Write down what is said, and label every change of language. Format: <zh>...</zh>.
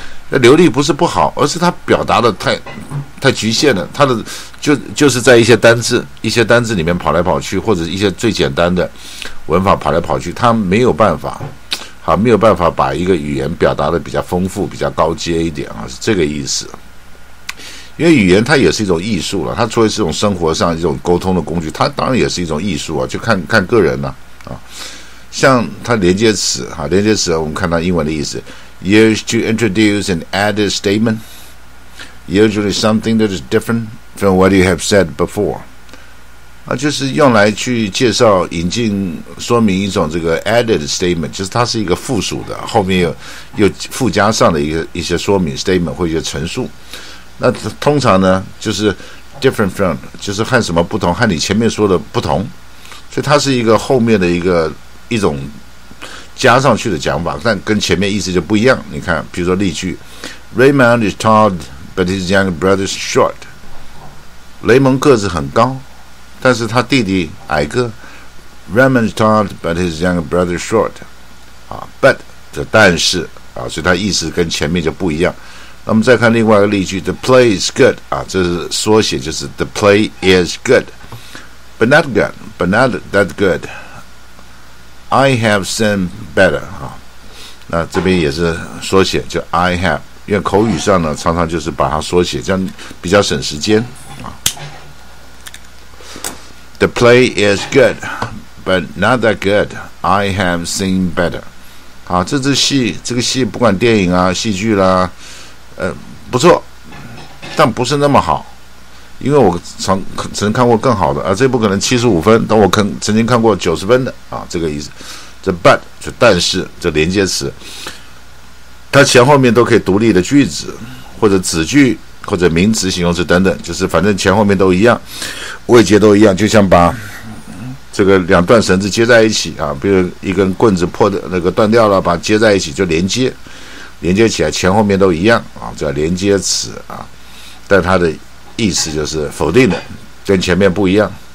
<zh>那流利不是不好，而是它表达的太局限了，它的就是在一些单字里面跑来跑去，或者一些最简单的文法跑来跑去，它没有办法，好，没有办法把一个语言表达的比较丰富、比较高阶一点啊，是这个意思。因为语言它也是一种艺术了，它除了是一种生活上一种沟通的工具，它当然也是一种艺术啊，就看个人了 啊。像它连接词哈，连接词我们看到英文的意思。</zh> <en>Used to introduce an added statement, usually something that is different from what you have said before.</en> <zh>啊，就是用来去介绍、引进、说明一种这个</zh> <en>added statement,</en> <zh>就是它是一个附属的，后面又附加上的一些说明 statement 或一些陈述。那通常呢，就是</zh> <en>different from,</en> <zh>就是和什么不同，和你前面说的不同，所以它是一个后面的一种。加上去的讲法，但跟前面意思就不一样。你看，比如说例句</zh> <en>，Raymond is tall, but his younger brother is short。</en> <zh>雷蒙个子很高，但是他弟弟矮个。</zh> <en>Raymond is tall, but his younger brother is short。</en> <zh>啊 ，but 的但是啊，所以他意思跟前面就不一样。那我们再看另外一个例句 ，</zh> <en>The play is good。</en> <zh>啊，这是缩写，就是</zh> <en>The play is good, but not good, but not that good。 I have seen better</en> <zh>啊，那这边也是缩写，就</zh> <en>I have，</en> <zh>因为口语上呢常常就是把它缩写，这样比较省时间啊。</zh> <en>The play is good, but not that good. I have seen better.</en> <zh>啊，这个戏不管电影啊、戏剧啦，不错，但不是那么好，因为我曾看过更好的啊，这部可能75分，但我曾经看过90分的啊，这个意思。这 but 就但是这连接词，它前后面都可以独立的句子，或者子句，或者名词、形容词等等，就是反正前后面都一样，位阶都一样，就像把这个两段绳子接在一起啊，比如一根棍子破的那个断掉了，把接在一起就连接起来，前后面都一样啊，叫连接词啊，但它的意思就是否定的，跟前面不一样。</zh>